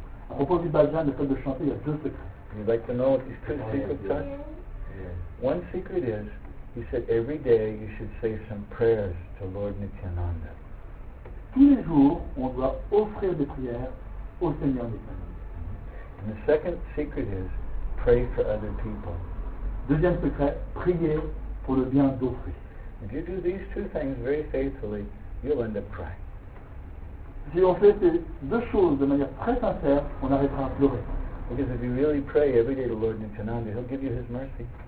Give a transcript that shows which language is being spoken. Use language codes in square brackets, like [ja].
[fr] A propos du Bhajan, le fait de chanter, il y a deux secrets. [en] You'd like to know what these two secrets are? Yes. One secret is, he said, every day you should say some prayers to Lord Nityananda. [fr] Tous les jours, on doit offrir des prières au Seigneur Nityananda. [en] And the second secret is, pray for other people. [fr] Deuxième secret, prier pour le bien d'autrui. [en] If you do these two things very faithfully, you'll end up crying. [fr] Si on fait ces deux choses de manière très sincère, on arrivera à pleurer. [en] Because if you really pray every day to Lord Nityananda, he'll give you his mercy.